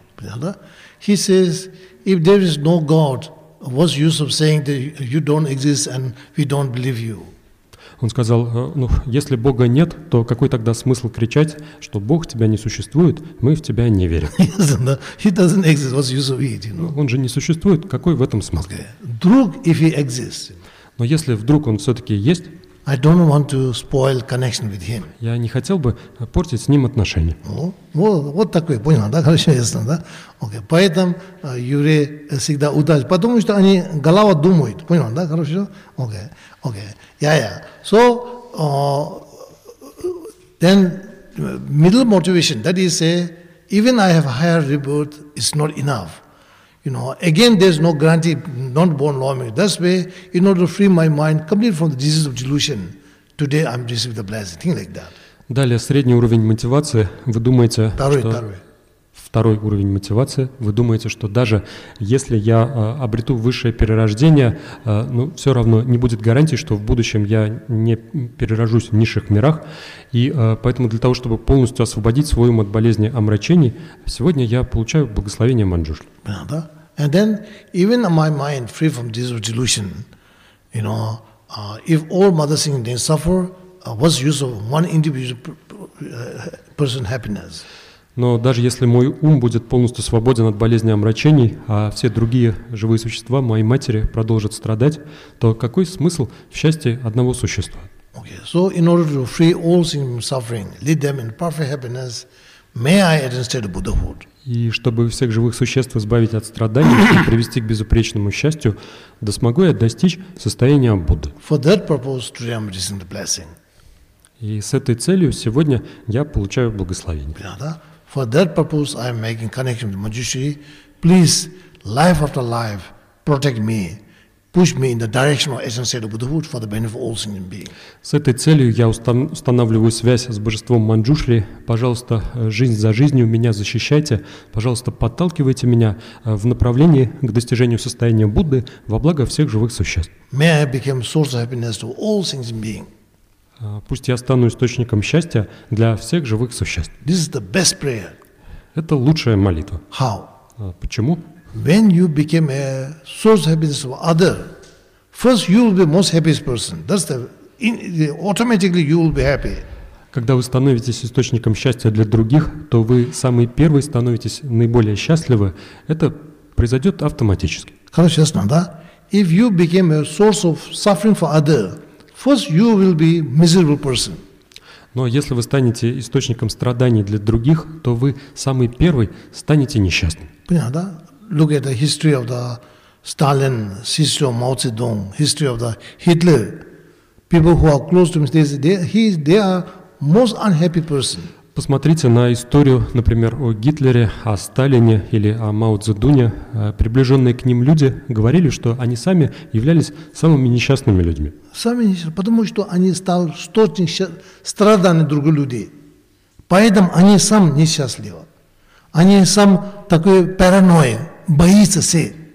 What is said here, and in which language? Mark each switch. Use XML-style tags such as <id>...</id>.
<ru>Понятно?</ru> <en>He says, if there is no God, what's use of saying that you don't exist and we don't believe you?</en> <ru>Он сказал, ну, если Бога нет, то какой тогда смысл кричать, что Бог тебя не существует, мы в тебя не верим?</ru> <en>He doesn't exist, what's use of it, you know?</en> <ru>Он же не существует, какой в этом смысл?</ru> <en>Okay. Друг, if he exists.</en> <ru>Но если вдруг он все-таки есть,</ru> <en>I don't want to spoil connection with him.</en> <ru>Я не хотел бы портить с ним отношения. Вот такое, понял, да? Хорошо, ясно, да? Окей. Поэтому евреи всегда удачны, потому что они голова думают, понял, да? Хорошо? Окей. Окей. Я.</ru> <en>So, then middle motivation, that is say, even I have higher reward, it's not enough. You know, again, there's no guarantee, not born law. That's why, in order to free my mind completely from the disease of delusion, today I'm receiving the blessing, things like that.</en> <ru>Далее, средний уровень мотивации, вы думаете, второй уровень мотивации, вы думаете, что даже если я обрету высшее перерождение, ну, все равно не будет гарантии, что в будущем я не перерожусь в низших мирах. И поэтому для того, чтобы полностью освободить свой ум от болезни омрачений, сегодня я получаю благословение Манджушли. Да?</ru> <en>And then, even my mind free from this delusion, you know, if all mother sins suffer, what's the use of one individual person happiness.</en> <ru>Но даже если мой ум будет полностью свободен от болезни омрачений, а все другие живые существа, мои матери, продолжат страдать, то какой смысл в счастье одного существа?</ru> <en>Okay, so in order to free all sin from suffering, lead them in perfect happiness, may I attain Buddhahood?</en> <ru>И чтобы всех живых существ избавить от страданий и привести к безупречному счастью, да смогу я достичь состояния Будды.</ru> <en>For that purpose, today I'm receiving the blessing.</en> <ru>И с этой целью сегодня я получаю благословение.</ru> <en>For that purpose, I am making connection with Manjushri. Please, life after life, protect me. Push me in the direction of essence of Buddhahood for the benefit of all sentient beings.</en> <ru>С этой целью я устанавливаю связь с божеством Манджушри. Пожалуйста, жизнь за жизнью меня защищайте. Пожалуйста, подталкивайте меня в направлении к достижению состояния Будды во благо всех живых существ.</ru> <en>May I become source of happiness to all sentient beings.</en> <ru>Пусть я стану источником счастья для всех живых существ.</ru> <en>This is the best prayer.</en> <ru>Это лучшая молитва.</ru> <en>How?</en> <ru>Почему?</ru> <en>When you become a source of happiness of other, first you will be most happiest person. That's the automatically you will be happy.</en> <ru>Когда вы становитесь источником счастья для других, то вы самый первый становитесь наиболее счастливы. Это произойдет автоматически. Хорошо, ясно, да?</ru> <en>If you become a source of suffering for other, first you will be miserable person.</en> <ru>Но если вы станете источником страданий для других, то вы самый первый станете несчастным. Понятно, да?</ru> <en>Look at the history of the Stalin, history of Mao Zedong, history of the Hitler. People who are close to him, they are most unhappy person.</en> <ru>Посмотрите на историю, например, о Гитлере, о Сталине или о Мао Цзэдуне. Приближенные к ним люди говорили, что они сами являлись самыми несчастными людьми. Самые несчастные, потому что они стали страданы другими людьми. Поэтому они сам несчастливы. Они сам такой паранойя, боится все.</ru>